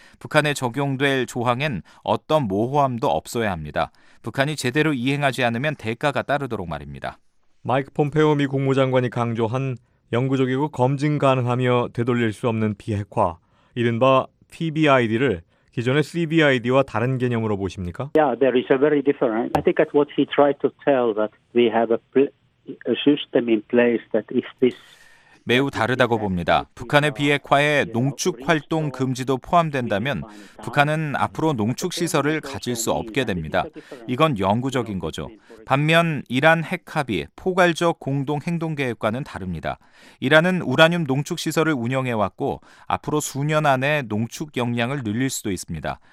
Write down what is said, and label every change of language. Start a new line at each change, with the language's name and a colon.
Korean: 북한에 적용될 조항엔 어떤 모호함도 없어야 합니다. 북한이 제대로 이행하지 않으면 대가가 따르도록 말입니다. 마이크 폼페오 미 국무장관이 강조한 영구적이고 검증 가능하며 되돌릴 수 없는 비핵화, 이른바 PBID를 기존의 CBID와 다른 개념으로 보십니까?
English: Yeah, there is a very different. I think that what he tried to tell that we have a system in place that if this
Korean: 매우 다르다고 봅니다. 북한의 비핵화에 농축활동 금지도 포함된다면 북한은 앞으로 농축시설을 가질 수 없게 됩니다. 이건 영구적인 거죠. 반면 이란 핵합의 포괄적 공동행동계획과는 다릅니다. 이란은 우라늄 농축시설을 운영해왔고 앞으로 수년 안에 농축 역량을 늘릴 수도 있습니다.